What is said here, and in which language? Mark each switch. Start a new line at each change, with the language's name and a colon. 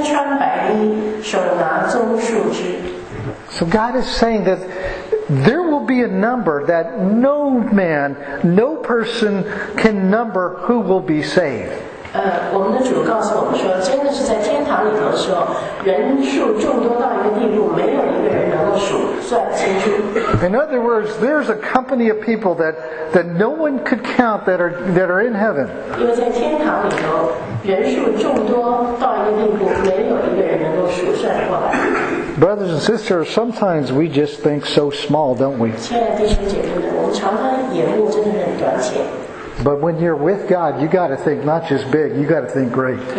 Chinese: 启示录第七章第九节说：“此后我观看，见有许多的人，没有人能数过来，是从各国、各族、各民、各方来的，站在宝座和羔羊面前，身穿白衣，手拿棕树枝。”
English: So God is saying that there will be a number that no man, no person can number who will be saved.
Chinese: 我们的主告诉我们说，真的是在天堂里头说，人数众多到一个地步，没有一个人能够数算清楚。
English: In other words, there's a company of people that no one could count that are in heaven.
Chinese: 因为在天堂里头，人数众多到一个地步，没有一个人能够数算过来。
English: Brothers and sisters, sometimes we just think so small, don't we?
Chinese: 亲爱的弟兄姐妹们，我们常常眼目真的很短浅。
English: But when you're with God, you got to think not just big, you got to think great.